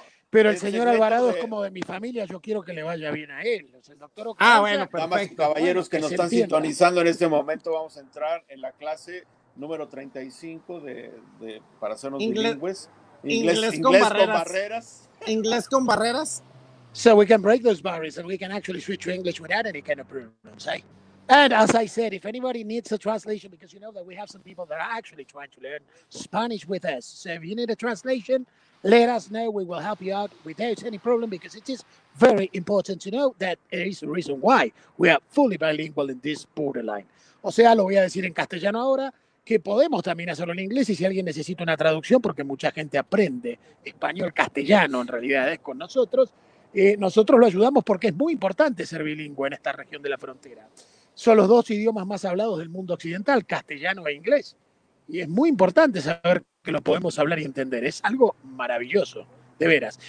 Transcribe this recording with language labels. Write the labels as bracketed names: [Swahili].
[Spanish] Pero el señor Alvarado es como de mi familia. Yo quiero que le vaya bien a él. El doctor Ocaranza. Ah, bueno, perfecto. Damas y caballeros que nos están sintonizando en este momento, vamos a entrar en la clase número 35 de para hacernos bilingües. Inglés con barreras. [English] So we can break those barriers and we can actually switch to English without any kind of problems. Eh? And as I said, if anybody needs a translation, because you know that we have some people that are actually trying to learn Spanish with us. So if you need a translation, let us know. We will help you out without any problem because it is very important to know that there is a reason why we are fully bilingual in this borderline. [Spanish] O sea, lo voy a decir en castellano ahora. Que podemos también hacerlo en inglés y si alguien necesita una traducción, porque mucha gente aprende español castellano, en realidad es con nosotros, nosotros lo ayudamos porque es muy importante ser bilingüe en esta región de la frontera. Son los dos idiomas más hablados del mundo occidental, castellano e inglés, y es muy importante saber que lo podemos hablar y entender, es algo maravilloso, de veras.